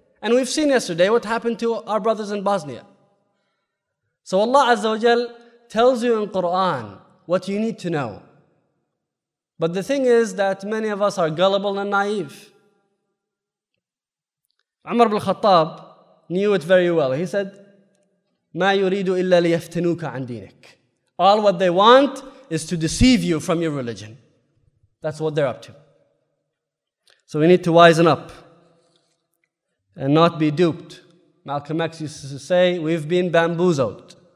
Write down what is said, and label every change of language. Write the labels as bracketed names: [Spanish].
[English] And we've seen yesterday what happened to our brothers in Bosnia. So Allah Azza wa Jal tells you in Quran what you need to know. But the thing is that many of us are gullible and naive. Umar ibn Khattab knew it very well. He said, [Arabic] مَا يُرِيدُ إِلَّا لِيَفْتِنُوكَ عَنْ دِينِكَ. [English] All what they want is to deceive you from your religion. That's what they're up to. So we need to wisen up and not be duped. Malcolm X used to say, we've been bamboozled.